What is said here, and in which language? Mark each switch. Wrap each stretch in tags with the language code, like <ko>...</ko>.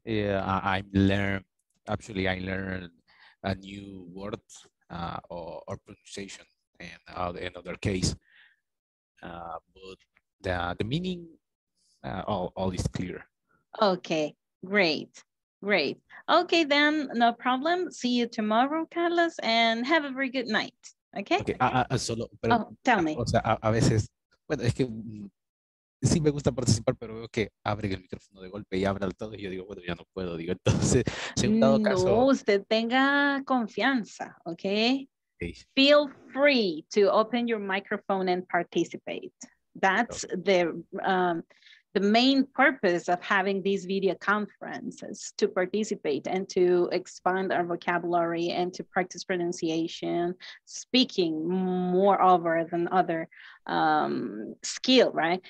<en>Yeah, I learned a new word or pronunciation and in other case, but the meaning all is clear. Okay, great. Okay, then no problem. See you tomorrow, Carlos, and have a very good night. Okay. Tell me.</en> <es>O sea, a veces, bueno, es que sí me gusta participar, pero veo que abre el micrófono de golpe y habla todo y yo digo, bueno, ya no puedo, digo, entonces, según dado caso. No, usted tenga confianza, okay?</es> <en>Okay. Feel free to open your microphone and participate. That's okay. the um, the main purpose of having these video conferences to participate and to expand our vocabulary and to practice pronunciation, speaking more over than other skill, right?</en>